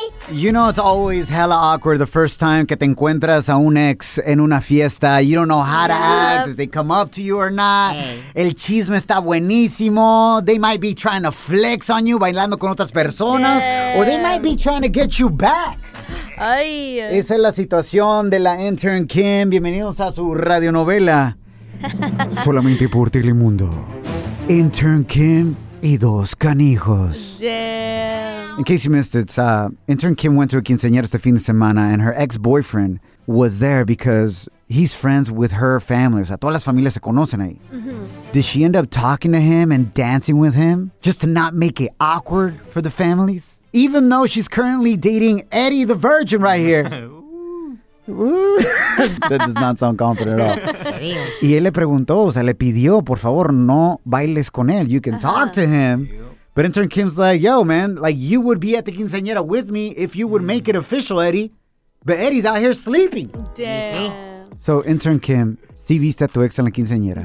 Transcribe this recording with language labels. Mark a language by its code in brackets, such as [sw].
[en] You know, it's always hella awkward the first time [es] que te encuentras a un ex en una fiesta. [en] You don't know how to act. Did they come up to you or not? Hey. [es] El chisme está buenísimo. [en] They might be trying to flex on you, [es] bailando con otras personas. [en] Yeah. Or they might be trying to get you back. [es] Ay. Esa es la situación de la intern Kim. Bienvenidos a su radionovela. Solamente por Telemundo. Intern Kim y dos canijos. [en] Damn. In case you missed it, intern Kim went to a quinceañera [es] este fin de semana [en] and her ex-boyfriend was there because he's friends with her family. [es] O sea, todas las familias se conocen ahí. Mm-hmm. [en] Did she end up talking to him and dancing with him just to not make it awkward for the families? Even though she's currently dating Eddie the Virgin right here. That does not sound confident at all. [es] Y él le preguntó, o sea, le pidió, por favor, no bailes con él. [en] You can talk to him. Yep. But intern Kim's like, yo, man, like, you would be at the quinceañera with me if you would make it official, Eddie. But Eddie's out here sleeping. Damn. So [es] intern Kim, ¿sí viste a tu ex en la quinceañera?